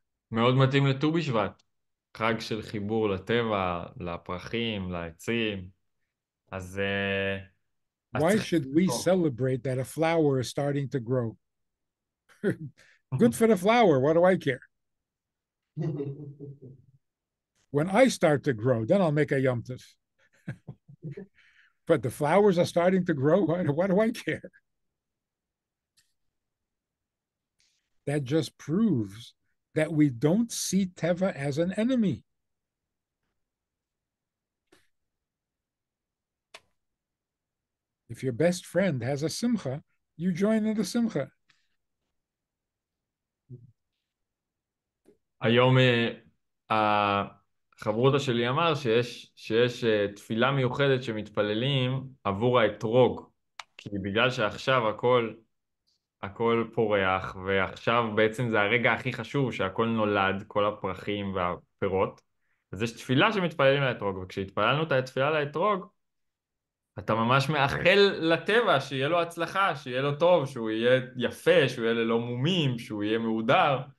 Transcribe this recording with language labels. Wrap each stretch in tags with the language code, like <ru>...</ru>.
<he>מאוד מתאים לט"ו בשבט, חג של חיבור לטבע, לפרחים, לעצים. אז</he> <en>Why should we celebrate that a flower is starting to grow? Good for the flower, what do I care? When I start to grow, then I'll make a Yom Tov. But the flowers are starting to grow, why do I care? That just proves that we don't see Teva as an enemy. If your best friend has a simcha, you join in the simcha.</en> <he>היום החברותה שלי אמר שיש תפילה מיוחדת שמתפללים עבור האתרוג, כי בגלל שעכשיו הכל פורח, ועכשיו בעצם זה הרגע הכי חשוב שהכל נולד, כל הפרחים והפירות, אז יש תפילה שמתפללים לאתרוג, וכשהתפללנו את התפילה לאתרוג, אתה ממש מאחל לטבע שיהיה לו הצלחה, שיהיה לו טוב, שהוא יהיה יפה, שהוא יהיה ללא מומים, שהוא יהיה מעודר,</he>